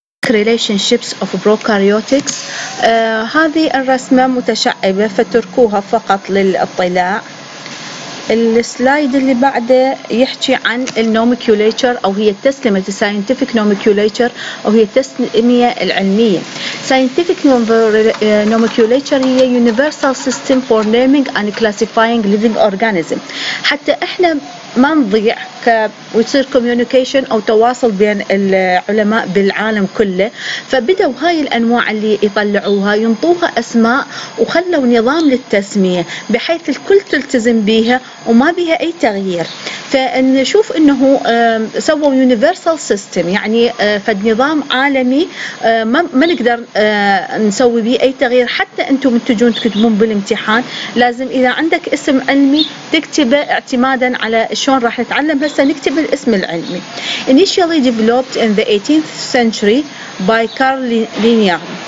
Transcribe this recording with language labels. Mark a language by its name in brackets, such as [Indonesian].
[English] relationships of prokaryotics. [Arabic] هذه الرسمة متشعبة فتركوها فقط للاطلاع. السلايد اللي بعده يحكي عن النوميكيوليتر او هي التسمية الساينتفك نوميكيوليتر او هي التسمية العلمية. [English] Scientific nomenclature هي universal system for naming and classifying living organism. [Arabic] حتى احنا ما نضيع ويصير كوميونيكيشن او تواصل بين العلماء بالعالم كله، فبدوا هاي الانواع اللي يطلعوها ينطوها اسماء وخلوا نظام للتسمية بحيث الكل تلتزم بيها وما بيها اي تغيير. فنشوف انه سووا يونيفرسال سيستم، يعني فد نظام عالمي ما نقدر نسوي بيه اي تغيير. حتى انتم تجون تكتبون بالامتحان لازم اذا عندك اسم علمي تكتبه اعتمادا على شلون راح نتعلم. هسه نكتب الاسم العلمي. [English] Initially developed in the 18th century by Carl Linnaeus.